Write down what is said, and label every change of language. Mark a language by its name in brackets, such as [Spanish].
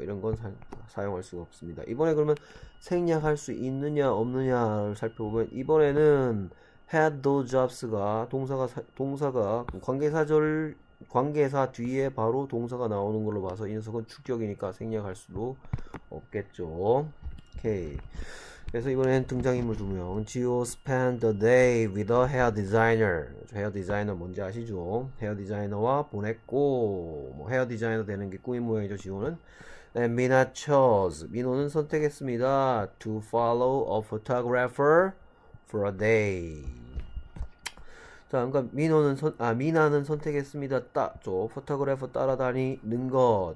[Korean] 이런 건 사용할 수가 없습니다. 이번에 그러면 생략할 수 있느냐 없느냐를 살펴보면 이번에는 [English] had those jobs [Korean] 가 관계사 뒤에 바로 동사가 나오는 걸로 봐서 이 녀석은 축격이니까 생략할 수도 없겠죠. 오케이. 그래서 이번엔 등장인물 두 명. [English] Gio spent the day with a hair designer. [Korean] 헤어 디자이너 뭔지 아시죠? 헤어 디자이너와 보냈고, 뭐 헤어 디자이너 되는 게 꾸민 모양이죠, Gio는. [English] And Mina chose. [Korean] 민호는 선택했습니다. [English] To follow a photographer for a day. [Korean] 자, 그러니까 미나는 선택했습니다. 딱, 포토그래퍼 따라다니는 거.